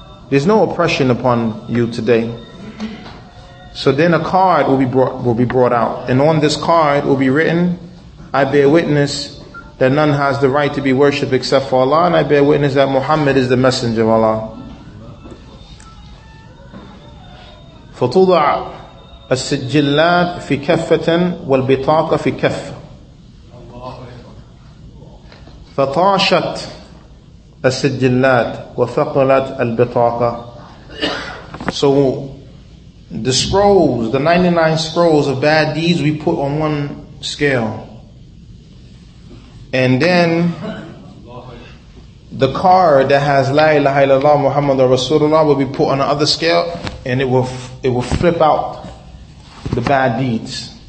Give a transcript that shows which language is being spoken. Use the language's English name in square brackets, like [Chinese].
[English] There's no oppression upon you today. So then a card will be brought out, and on this card will be written, I bear witness that none has the right to be worshipped except for Allah, and I bear witness that Muhammad is the messenger of Allah. Fatudah. [Arabic] السجلات في كفة والبطاقة في كفة فطاشت السجلات وثقلت البطاقة. [English] So the scrolls, the 99 scrolls of bad deeds, we put on one scale. And then the car that has La ilaha illallah Muhammadur Rasulullah will be put on another scale, and it will flip out the bad deeds.